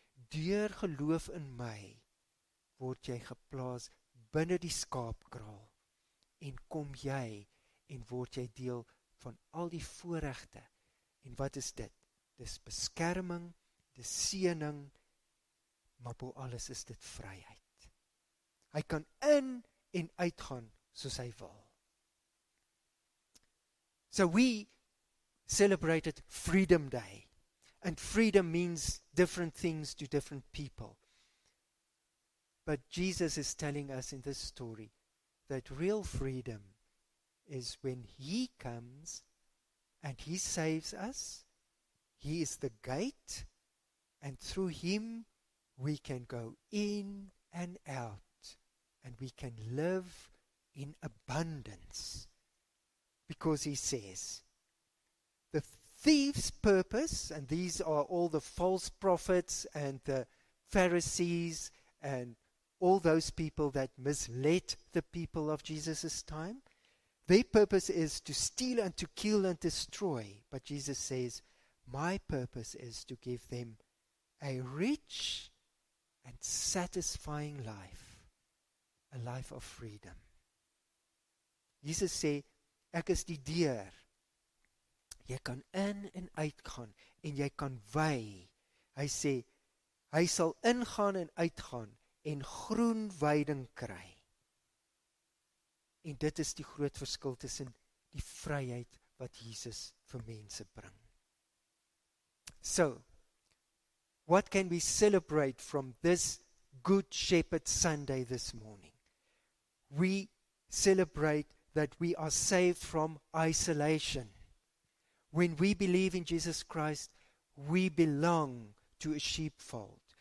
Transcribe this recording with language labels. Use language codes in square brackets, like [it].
[af] Deur geloof in my word jy geplaas binne die skaapkraal en kom jy en word jy deel van al die voorregte. En wat is dit? Dis beskerming, dis seëning, maar bo alles is dit vryheid. Hy kan in en uitgaan soos hy wil. [en] So we celebrated Freedom Day. And freedom means different things to different people. But Jesus is telling us in this story that real freedom is when he comes and he saves us. He is the gate, and through him we can go in and out, and we can live in abundance. Because he says, the thief's purpose, and these are all the false prophets and the Pharisees and all those people that misled the people of Jesus' time, their purpose is to steal and to kill and destroy. But Jesus says, my purpose is to give them a rich and satisfying life, a life of freedom. [af] Jesus sê, ek is die deur. Jy kan in en uitgaan en jy kan wei. Hy sê, hy sal ingaan en uitgaan en groen weiding kry. En dit is die groot verskil tussen die vryheid wat Jesus vir mense bring. [en] So, what can we celebrate from this Good Shepherd Sunday this morning? We celebrate that we are saved from isolation. When we believe in Jesus Christ, we belong to a sheepfold.